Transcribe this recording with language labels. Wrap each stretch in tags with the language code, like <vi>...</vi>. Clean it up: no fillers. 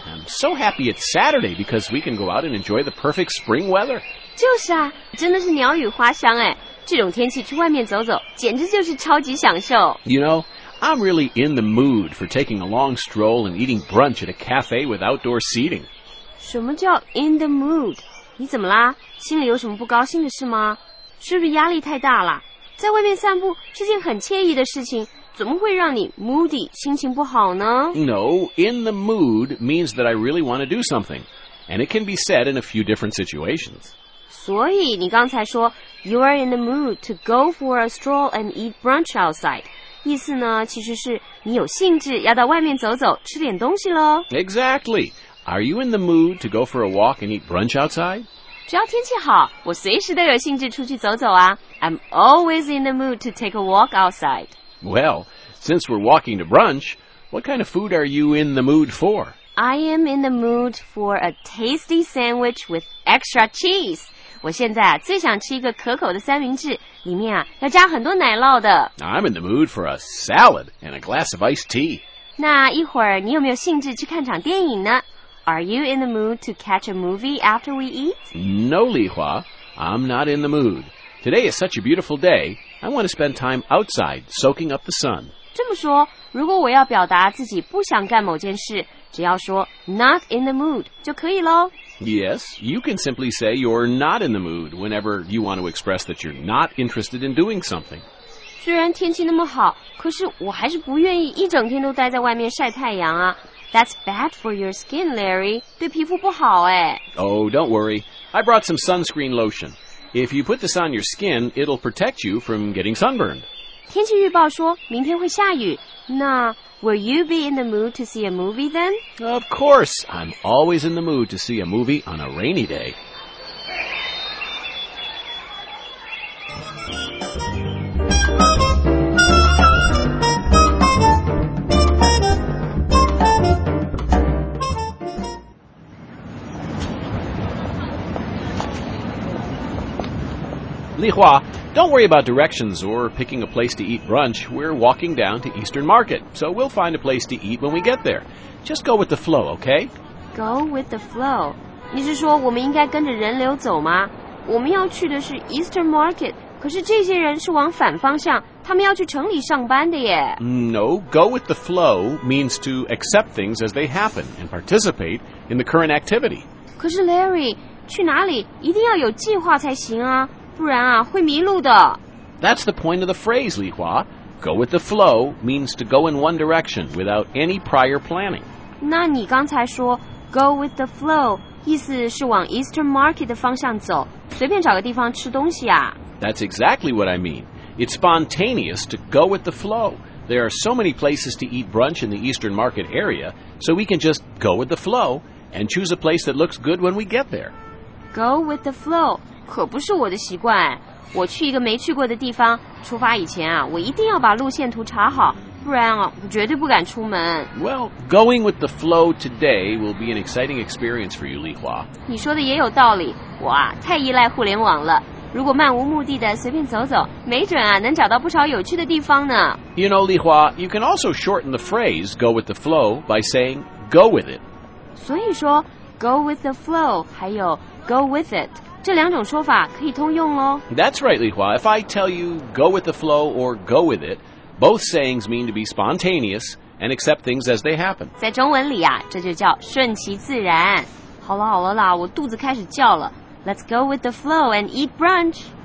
<en>I'm so happy it's Saturday because we can go out and enjoy the perfect spring weather.</en> <zh>就是啊，真的是鸟语花香哎，这种天气去外面走走简直就是超级享受。</zh> <en>You know,I'm really in the mood for taking a long stroll and eating brunch at a cafe with outdoor seating.</en> <zh>什么叫</zh> <en>in the mood?</en> <zh>你怎么啦？心里有什么不高兴的事吗？是不是压力太大了？在外面散步是件很惬意的事情，怎么会让你 moody, 心情不好呢？</zh> <en>No, in the mood means that I really want to do something. And it can be said in a few different situations.</en> <zh>所以你刚才说</zh> <en>you are in the mood to go for a stroll and eat brunch outside.</en> <zh>意思呢，其实是你有兴致要到外面走走，吃点东西咯。</zh> <en>Exactly. Are you in the mood to go for a walk and eat brunch outside?</en> <zh>只要天气好，我随时都有兴致出去走走啊。</zh> <en>I'm always in the mood to take a walk outside. Well, since we're walking to brunch, what kind of food are you in the mood for? I am in the mood for a tasty sandwich with extra cheese.</en> <zh>我现在最想吃一个可口的三明治，里面啊要加很多奶酪的。</zh> <en>I'm in the mood for a salad and a glass of iced tea.</en> <zh>那一会儿你有没有兴致去看场电影呢？</zh> <en>Are you in the mood to catch a movie after we eat? No, Li Hua, I'm not in the mood. Today is such a beautiful day, I want to spend time outside soaking up the sun.</en> <zh>这么说，如果我要表达自己不想干某件事，只要说</zh> <en>not in the mood</en> <zh>就可以咯。</zh> <en>Yes, you can simply say you're not in the mood whenever you want to express that you're not interested in doing something.</en> <zh>虽然天气那么好，可是我还是不愿意一整天都待在外面晒太阳啊。</zh> <en>That's bad for your skin, Larry.</en> <zh>对皮肤不好哎。</zh> <en>Oh, don't worry. I brought some sunscreen lotion. If you put this on your skin, it'll protect you from getting sunburned.</en> <zh>天气预报说明天会下雨。那</zh> <en>will you be in the mood to see a movie then? Of course, I'm always in the mood to see a movie on a rainy day.</en> <zh>丽华。</zh> <en>Don't worry about directions or picking a place to eat brunch. We're walking down to Eastern Market, so we'll find a place to eat when we get there. Just go with the flow, okay? Go with the flow.</en> <zh>你是说我们应该跟着人流走吗？我们要去的是 Eastern Market, 可是这些人是往反方向，他们要去城里上班的耶。</zh> <en>No, go with the flow means to accept things as they happen and participate in the current activity.</en> <zh>可是 Larry, 去哪里一定要有计划才行啊。不然啊，会迷路的。</zh> <en>That's the point of the phrase, Li Hua. Go with the flow means to go in one direction without any prior planning.</en> <zh>那你刚才说</zh> <en>go with the flow</en> <zh>意思是往 Eastern Market 的方向走，随便找个地方吃东西啊。</zh> <en>That's exactly what I mean. It's spontaneous to go with the flow. There are so many places to eat brunch in the Eastern Market area, so we can just go with the flow and choose a place that looks good when we get there. Go with the flow.</en> <zh>可不是我的习惯，我去一个没去过的地方，出发以前啊，我一定要把路线图查好，不然啊，我绝对不敢出门。</zh> <en>Well, going with the flow today will be an exciting experience for you, Li Hua.</en> <zh>你说的也有道理，我啊，太依赖互联网了。如果漫无目的的随便走走，没准啊，能找到不少有趣的地方呢。</zh> <en>You know, Li Hua, you can also shorten the phrase go with the flow by saying go with it.</en> <zh>所以说</zh> <en>go with the flow</en> <zh>还有</zh> <en>go with it.</en> <zh>这两种说法可以通用哦。</zh> <en>That's right, Li Hua. If I tell you go with the flow or go with it, both sayings mean to be spontaneous and accept things as they happen.</en> <zh>在中文里啊，这就叫顺其自然。好了好了啦，我肚子开始叫了。</zh> <en>Let's go with the flow and eat brunch.</en>